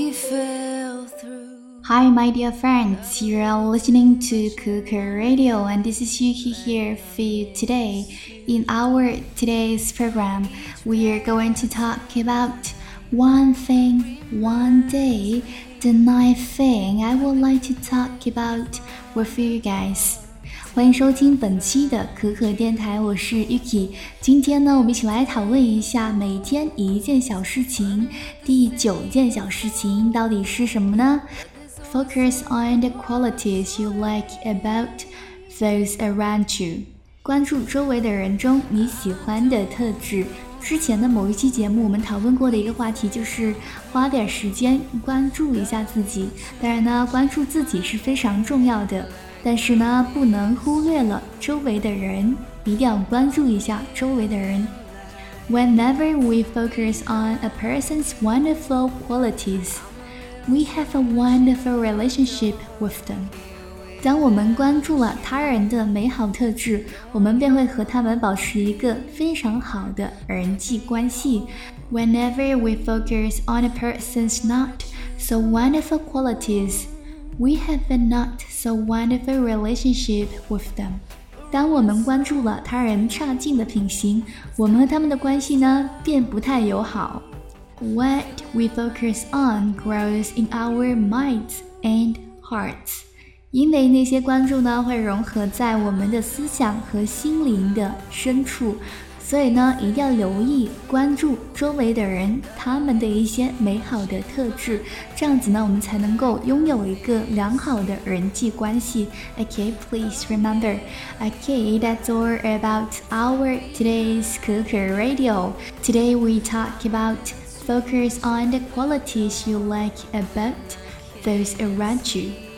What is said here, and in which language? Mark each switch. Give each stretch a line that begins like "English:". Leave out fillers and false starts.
English: Hi, my dear friends, you're listening to Cuckoo Radio, and this is Yuki here for you today. In our today's program, we are going to talk about one thing, one day. The ninth thing I would like to talk about with you guys.
Chinese: 欢迎收听本期的可可电台，我是 Yuki。今天呢，我们一起来讨论一下每天一件小事情，第九件小事情到底是什么呢？
English: Focus on the qualities you like about those around you.
Chinese: 关注周围的人中你喜欢的特质。之前的某一期节目我们讨论过的一个话题就是花点时间关注一下自己。当然呢，关注自己是非常重要的，但是呢，不能忽略了周围的人，一定要关注一下周围的人。
English: Whenever we focus on a person's wonderful qualities,We have a wonderful relationship with them.
Chinese: 当我们关注了他人的美好特质，我们便会和他们保持一个非常好的人际关系。
English: Whenever we focus on a person's not so wonderful qualities, we have a not so wonderful relationship with them.
Chinese: 当我们关注了他人差劲的品行，我们和他们的关系呢，便不太友好。
English: What we focus on grows in our minds and hearts.
Chinese: 因为那些关注呢，会融合在我们的思想和心灵的深处，所以呢，一定要留意关注周围的人，他们的一些美好的特质，这样子呢，我们才能够拥有一个良好的人际关系。
English: Okay, please remember. Okay, that's all about our today's Cuckoo Radio. Today we talk about. Focus on the qualities you like about those around you.